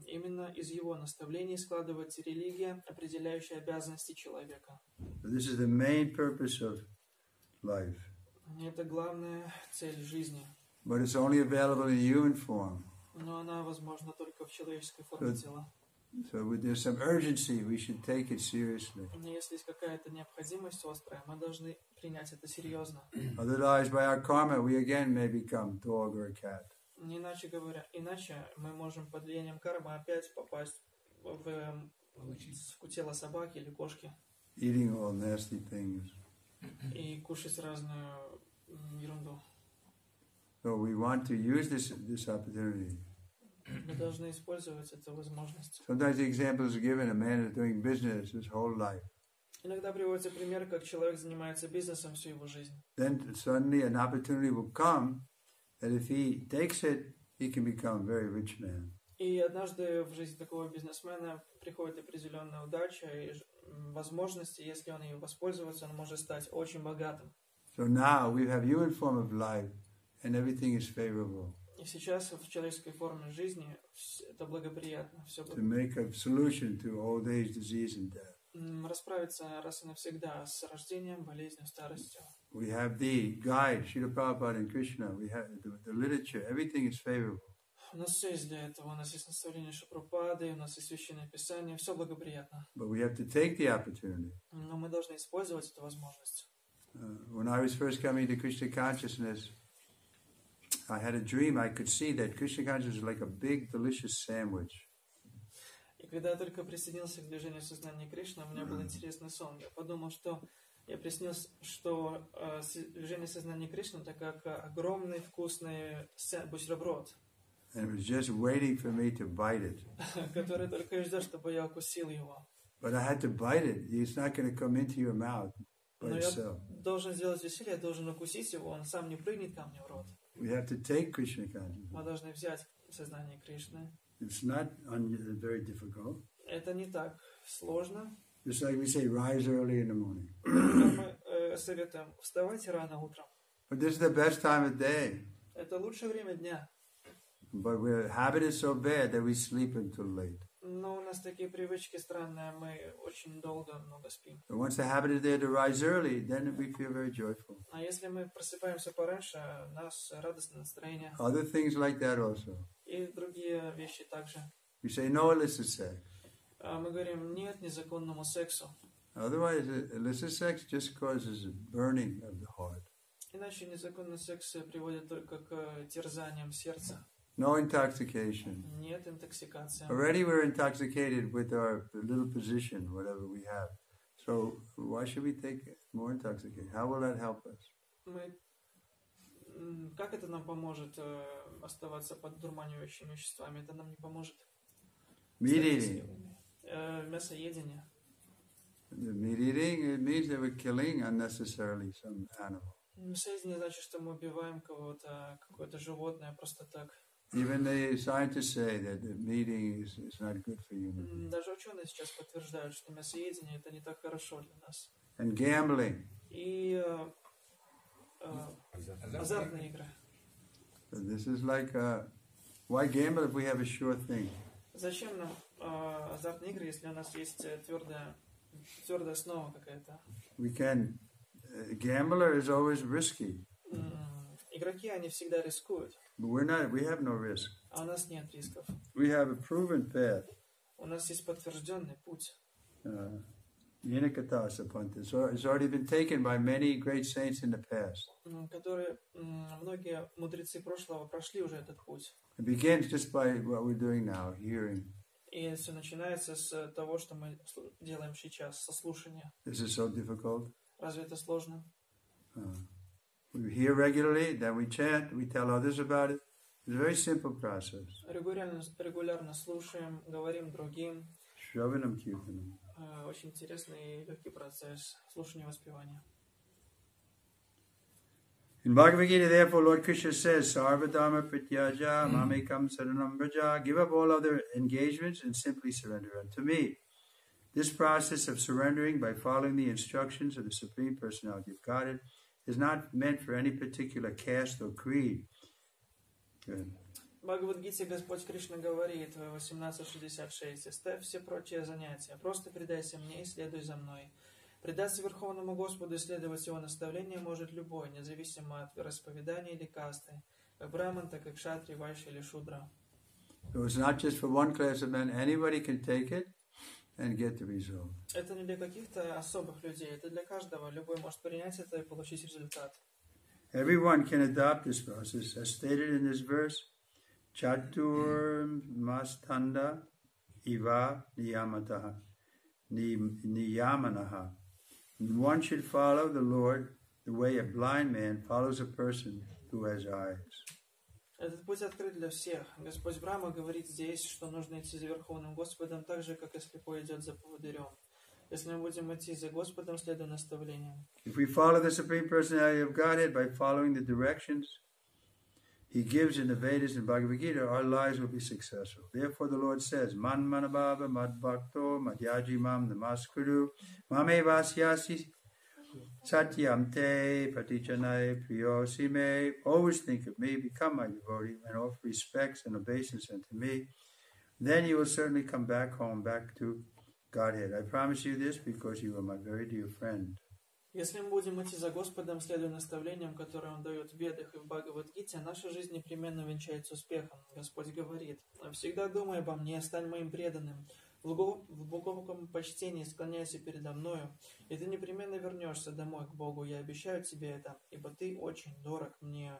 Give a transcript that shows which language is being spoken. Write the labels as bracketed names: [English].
[Russian] Именно из Его наставлений складывается религия, определяющая обязанности человека. [English] This is the main purpose of life. [Russian] Это главная цель жизни. [English] But it's only available in human form. [Russian] Но она возможна только в человеческой форме тела. [English] So if there's some urgency, we should take it seriously. [Russian] Если есть какая-то необходимость острая, мы должны принять это серьезно. [English] Otherwise, by our karma, we again may become dog or cat. [Russian] Иначе говоря, иначе мы можем под влиянием кармы опять попасть в кутело собаки или кошки. [English] Eating all nasty things. [Russian] И кушать разную ерунду. [English] So we want to use this opportunity. [Russian] Мы должны использовать эту возможность. [English] Sometimes the example is given: a man is doing business his whole life. [Russian] Иногда приводится пример, как человек занимается бизнесом всю его жизнь. [English] Then suddenly an opportunity will come, that if he takes it, he can become a very rich man. [Russian] И однажды в жизни такого бизнесмена приходит определенная удача и возможности, если он ее воспользуется, он может стать очень богатым. [English] So now we have human form of life, and everything is favorable. [Russian] И сейчас в человеческой форме жизни это благоприятно. Все [English] to make a solution to old age, disease and death. [Russian] Расправиться раз и навсегда с рождением, болезнью, старостью. [English] We have the guide, Śrīla Prabhupāda and Krishna. We have the literature. Everything is favorable. [Russian] У нас все есть для этого. У нас есть наставление Śrīla Prabhupāda, у нас есть священное писание. Все благоприятно. [English] But we have to take the opportunity. [Russian] Но мы должны использовать эту возможность. [English] When I was first coming to Krishna consciousness, I had a dream. I could see that Krishna consciousness is like a big, delicious sandwich. [Russian] И когда я только присоединился к движению сознания Кришны, у меня был интересный сон. Я подумал, что я приснился, что движение сознания Кришны это как огромный вкусный бутерброд. [English] And it was just waiting for me to bite it. [Russian] Который только и ждет, чтобы я укусил его. [English] But I had to bite it. It's not going to come into your mouth by itself. [Russian] Но я должен сделать усилие, я должен укусить его, он сам не прыгнет ко мне в рот. [English] We have to take Krishna consciousness. [Russian] Мы должны взять сознание Кришны. [English] It's not very difficult. [Russian] Это не так сложно. [English] Just like we say, rise early in the morning. [Russian] Мы советуем вставать рано утром. [English] But this is the best time of day. [Russian] Это лучшее время дня. [English] But our habit is so bad that we sleep until late. [Russian] Но у нас такие привычки странные, мы очень долго много спим. [English] But once the habit is there to rise early, then we feel very joyful. [Russian] А если мы просыпаемся пораньше, у нас радостное настроение. [English] Other things like that also. [Russian] И другие вещи также. [English] We say no illicit sex. [Russian] Мы говорим нет незаконному сексу. [English] Otherwise, illicit sex just causes a burning of the heart. [Russian] Иначе незаконный секс приводит только к терзаниям сердца. [English] No intoxication. [Russian] Нет интоксикации. [English] Already we're intoxicated with our little position, whatever we have. So why should we take more intoxication? How will that help us? [Russian] Как это нам поможет оставаться под дурманивающими веществами? Это нам не поможет. [English] Meat eating. [Russian] Мясоедение. [English] The meat eating, it means that we're killing unnecessarily some animal. [Russian] Мясоедение значит, что мы убиваем кого-то, какое-то животное просто так. [English] Even the scientists say that the meat eating is not good for you. [Russian] Даже ученые сейчас подтверждают, что мясоедение это не так хорошо для нас. [English] And gambling. [Russian] И азартные игры. [English] So this is like why gamble if we have a sure thing? [Russian] Зачем нам азартные игры, если у нас есть твердая основа какая-то? [English] We can. A gambler is always risky. [Russian] Игроки они всегда рискуют. [English] But we're not. We have no risk. [Russian] А у нас нет рисков. [English] We have a proven path. [Russian] У нас есть подтвержденный путь. [Sanskrit] Yenakatasa Panta. [English] So it's already been taken by many great saints in the past. [Russian] Которые многие мудрецы прошлого прошли уже этот путь. [English] It begins just by what we're doing now, hearing. [Russian] И все начинается с того, что мы делаем сейчас, со слушания. [English] This is so difficult. [Russian] Разве это сложно? [English] We hear regularly, then we chant, we tell others about it. It's a very simple process. [Russian] Регулярно слушаем, говорим другим. [Sanskrit] Шравинам киртанам. [Russian] Очень интересный и легкий процесс слушания и воспевания. [English] In Bhagavad Gita, therefore, Lord Krishna says, [Sanskrit] Sarva Dharma Pratyaja, Mamekam Saranam Braja, [English] give up all other engagements and simply surrender unto me. This process of surrendering by following the instructions of the Supreme Personality of Godhead is not meant for any particular caste or creed. [Russian] Bhagavad Gita, Господь Кришна говорит, 18.66, оставь все прочие занятия, просто предайся мне и следуй за мной. Предаться Верховному Господу и следовать Его наставлению может любой, независимо от вероисповедания или касты, как браман, так и кшатри, вайши или шудра. [English] So it's not just for one class of men. Anybody can take it and get the result. [Russian] Это не для каких-то особых людей. Это для каждого. Любой может принять это и получить результат. [English] Everyone can adopt this process. As stated in this verse, [Sanskrit] Chatur mastanda iva niyamataha niyamanaha. [English] One should follow the Lord the way a blind man follows a person who has eyes. [Russian] Этот путь открыт для всех. Господь Брама говорит здесь, что нужно идти за Верховным Господом так же, как и слепой идет за поводырем. Если мы будем идти за Господом, следуя наставлениям. [English] If we follow the Supreme Personality of Godhead by following the directions He gives in the Vedas and Bhagavad Gita, our lives will be successful. Therefore, the Lord says, [Sanskrit] Man manabhava madbhakto madhyajimam namaskuru mame vasyasi satyam te patichanai priyosime. [English] Always think of me, become my devotee, and offer respects and obeisance unto me. Then you will certainly come back home, back to Godhead. I promise you this because you are my very dear friend. [Russian] Если мы будем идти за Господом, следуя наставлениям, которые Он дает в Ведах и в Бхагавад-гите, наша жизнь непременно венчается успехом. Господь говорит, «Всегда думай обо мне, стань моим преданным, в глубоком почтении склоняйся передо мною, и ты непременно вернешься домой к Богу, я обещаю тебе это, ибо ты очень дорог мне».